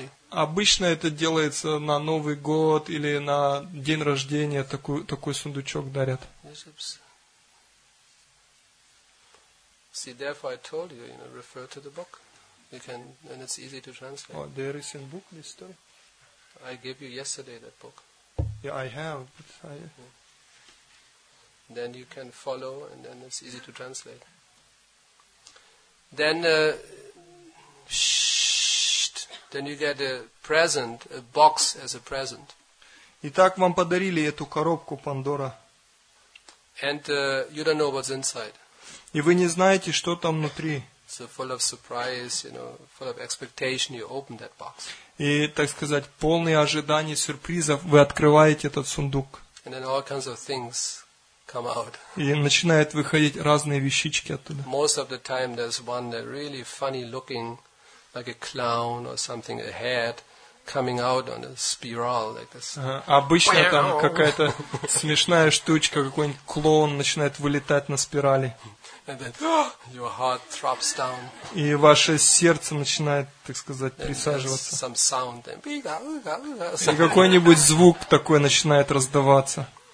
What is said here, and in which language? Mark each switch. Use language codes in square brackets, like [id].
[ru] Обычно это делается на Новый год или на день рождения, такой сундучок дарят. [en] See, therefore I told you, you know, refer to the book. You can, and it's easy to translate. Oh, there is in book, this story. I gave you yesterday that book. Yeah, I have. But I... Yeah. Then you can follow, and then it's easy to translate. Then, then you get a present, a box as a present. [ru] Итак, вам подарили эту коробку Пандора. [en] And you don't know what's inside. [ru] И вы не знаете, что там внутри. [en] So full of surprise, you know, full of expectation, you open that box. [ru] И, так сказать, полные ожиданий, сюрпризов, вы открываете этот сундук. [en] And then all kinds of things come out. [ru] И начинают выходить разные вещички оттуда. [en] Most of the time there's one that really funny looking, like a clown or something, a head coming out on a spiral like this. [ru] Обычно там какая-то смешная штучка, какой-нибудь клоун начинает вылетать на спирали. [en] And then your heart drops down. [ru] И ваше сердце начинает, так сказать, присаживаться. [en] Some sound then. [ru] И какой-нибудь звук такой начинает раздаваться.